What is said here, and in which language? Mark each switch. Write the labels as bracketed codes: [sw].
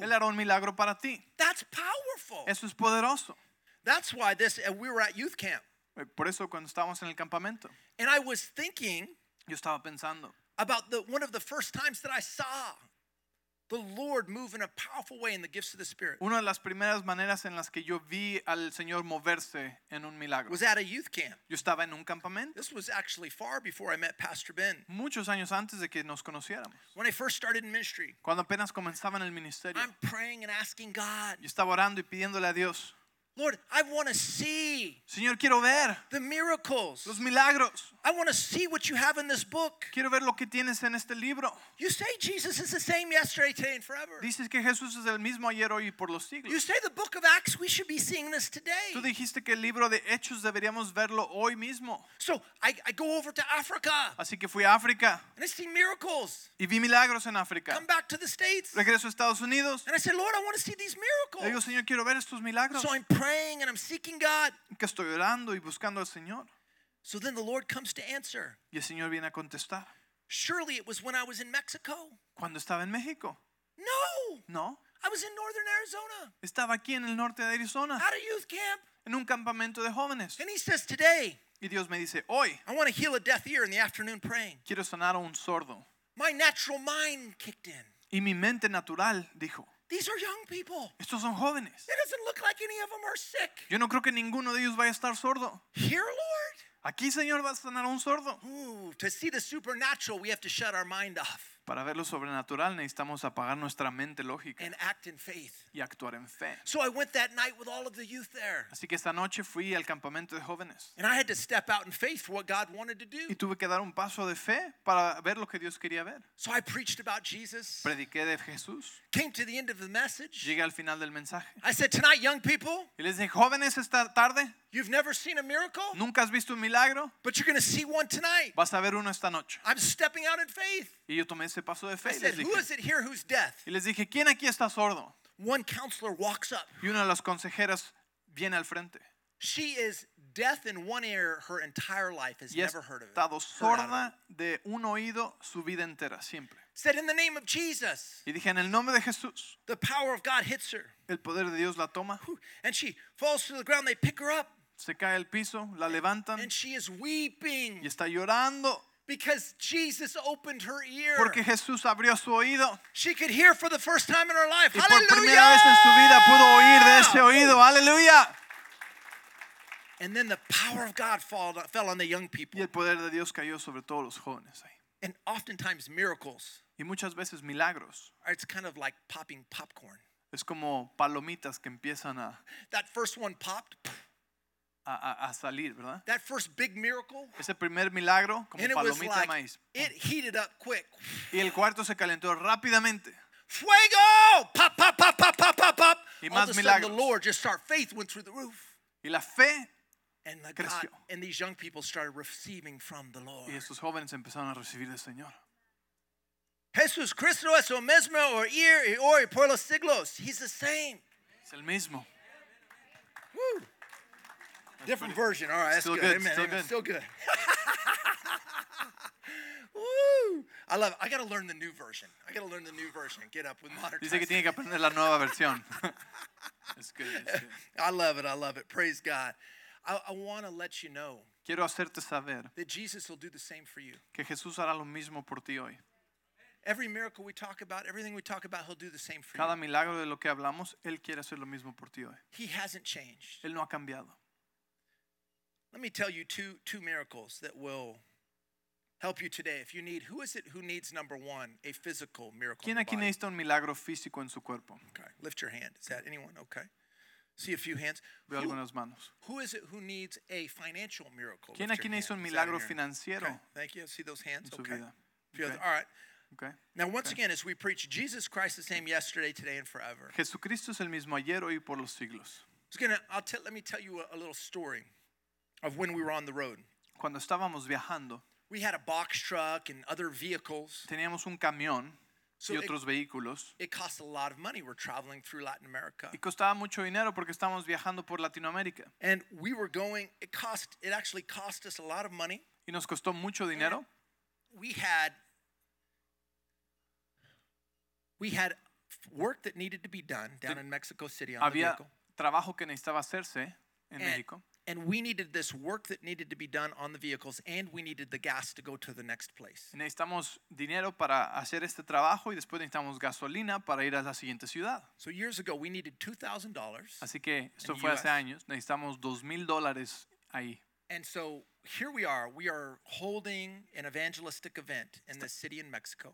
[es] Él hará un milagro para ti. [en] That's powerful. [es] Eso es poderoso. [en] That's why this, and we were at youth camp. [es] Por eso cuando estábamos en el campamento. [en] And I was thinking, [es] yo estaba pensando, [en] about the one of the first times that I saw the Lord move in a powerful way in the gifts of the Spirit. [es] Una de las primeras maneras en las que yo vi al Señor moverse en un milagro. [en] Was at a youth camp. [es] Yo estaba en un campamento. [en] This was actually far before I met Pastor Ben. [es] Muchos años antes de que nos conociéramos. [en] When I first started in ministry. [es] Cuando apenas comenzaba en el ministerio. [en] I'm praying and asking God. [es] Yo estaba orando y pidiéndole a Dios. [en] Lord, I want to see. [es] Señor, quiero ver. [en] The miracles. [es] Los milagros. [en] I want to see what you have in this book. [es] Quiero ver lo que tienes en este libro. [en] You say Jesus is the same yesterday, today, and forever. [es] Dices que Jesús es el mismo ayer, hoy y por los siglos. [en] You say the book of Acts, we should be seeing this today. [es] Tú dijiste que el libro de Hechos deberíamos verlo hoy mismo. [en] So I go over to Africa. [es] Así que fui a África. [en] And I see miracles. [es] Y vi milagros en África. [en] Come back to the States. [es] Regreso a Estados Unidos. [en] And I say, Lord, I want to see these miracles. [es] Le digo, Señor, quiero ver estos milagros. [en] So I'm praying and I'm seeking God. [es] Que estoy orando y buscando al Señor. [en] So then the Lord comes to answer. [es] Y el Señor viene a contestar. [en] Surely it was when I was in Mexico. [es] Cuando estaba en México. [en] No. [es] No. [en] I was in northern Arizona. [es] Estaba aquí en el norte de Arizona. [en] At a youth camp. [es] En un campamento de jóvenes. [en] And he says today. [es] Y Dios me dice hoy. [en] I want to heal a deaf ear in the afternoon praying. [es] Quiero sanar a un sordo. [en] My natural mind kicked in. [es] Y mi mente natural dijo. [en] These are young people. [es] Estos son jóvenes. [en] It doesn't look like any of them are sick. [es] Yo no creo que ninguno de ellos vaya a estar sordo. [en] Here, Lord. [es] Aquí, Señor, vas a sanar a un sordo. [en] Ooh, to see the supernatural, we have to shut our mind off. [es] Para ver lo sobrenatural, necesitamos apagar nuestra mente lógica. [en] And act in faith. [es] Y actuar en fe. [en] So I went that night with all of the youth there. [es] Así que esta noche fui al campamento de jóvenes. [en] And I had to step out in faith for what God wanted to do. [es] Y tuve que dar un paso de fe para ver lo que Dios quería ver. [en] So I preached about Jesus. [es] Prediqué de Jesús. [en] Came to the end of the message. [es] Llegué al final del mensaje. [en] I said, tonight, young people. [es] Y les dije, jóvenes, esta tarde. [en] You've never seen a miracle. [es] Nunca has visto un milagro. [en] But you're going to see one tonight. [es] Vas a ver uno esta noche. [en] I'm stepping out in faith. [es] Y yo tomé ese paso de fe. [en] I said, who is it here who's deaf? [es] Y les dije, ¿quién aquí está sordo? [en] One counselor walks up. [es] Y una de las consejeras viene al frente. [en] She is deaf in one ear her entire life, has never heard of it. [es] Y ha estado sorda de un oído su vida entera, siempre. [en] Said in the name of Jesus. [es] Y dije, en el nombre de Jesús. [en] The power of God hits her. [es] El poder de Dios la toma. [en] And she falls to the ground. They pick her up. [es] Se cae al piso, la levantan. [en] And she is weeping. [es] Y está llorando. [en] Because Jesus opened her ear. [es] Porque Jesús abrió su oído. [en] She could hear for the first time in her life. [es] Y por primera vez en su vida pudo oír de ese oído. Aleluya. [en] And then the power of God fell on the young people. [es] Y el poder de Dios cayó sobre todos los jóvenes ahí. [en] And oftentimes miracles. [es] Y muchas veces milagros. [en] It's kind of like popping popcorn. [es] Es como palomitas que empiezan a. [en] That first one popped. [es] A salir, ¿verdad? [en] That first big miracle. [es] Ese primer milagro como [en] and [es] palomita [en] it was like, [es] de maíz. [en] It heated up quick. [es] Y el cuarto se calentó rápidamente. [en] Fuego! Pop, pop, pop, pop, pop, pop, pop. [es] Y más [en] all [es] milagros. [en] Of a sudden, the Lord just our faith went through the roof. [es] Y la fe. [en] And the God and these young people started receiving from the Lord. [es] Y estos jóvenes empezaron a recibir del Señor. Jesús Cristo es lo mismo ayer y hoy por los siglos. [en] He's the same. [es] Es el mismo. [en] Woo. Different version. All right, that's still good. Good. Amen. Still Amen. Good. Still good. Woo. I love it. I got to learn the new version. I got to learn the new version. Get up with modern. [es] Dice que tiene que aprender la nueva versión. [en] It's good. It's good. I love it. I love it. Praise God. I want to let you know. [es] Quiero hacerte saber. [en] That Jesus will do the same for you. [es] Que Jesús hará lo mismo por ti hoy. [en] Every miracle we talk about, everything we talk about, he'll do the same for [es] cada [en] you. [es] Cada milagro de lo que hablamos, él quiere hacer lo mismo por ti hoy. [en] He hasn't changed. [es] Él no ha cambiado. [en] Let me tell you two miracles that will help you today. If you need, who is it who needs number one, a physical miracle? [es] ¿Quién aquí necesita un milagro físico en su cuerpo? [en] Okay, lift your hand. Is that anyone? Okay. See a few hands. [es] Veo algunas manos. [en] Who is it who needs a financial miracle? [es] ¿Quién aquí necesita un milagro financiero? [en] Okay. Thank you. See those hands? [es] En su vida. [en] Okay. Okay. All right. Okay. Now, once again, as we preach, Jesus Christ the same yesterday, today, and forever. [es] Jesucristo es el mismo ayer, hoy, y por los siglos. [en] Let me tell you a little story of when we were on the road. [es] Cuando estábamos viajando. [en] We had a box truck and other vehicles. [es] Teníamos un camión y otros vehículos. [en] It cost a lot of money. We're traveling through Latin America. [es] Y costaba mucho dinero porque estábamos viajando por Latinoamérica. [en] And we were going. It actually cost us a lot of money. [es] Y nos costó mucho dinero. [en] We had work that needed to be done down in Mexico City on the vehicle. [es] Había trabajo que necesitaba hacerse en México. [en] And we needed this work that needed to be done on the vehicles, and we needed the gas to go to the next place. [es] Necesitamos dinero para hacer este trabajo, y después necesitamos gasolina para ir a la siguiente ciudad. [en] So years ago, we needed $2,000. [es] Así que esto fue hace años. Necesitamos $2,000 ahí. [en] And so here we are. We are holding an evangelistic event in this city in Mexico.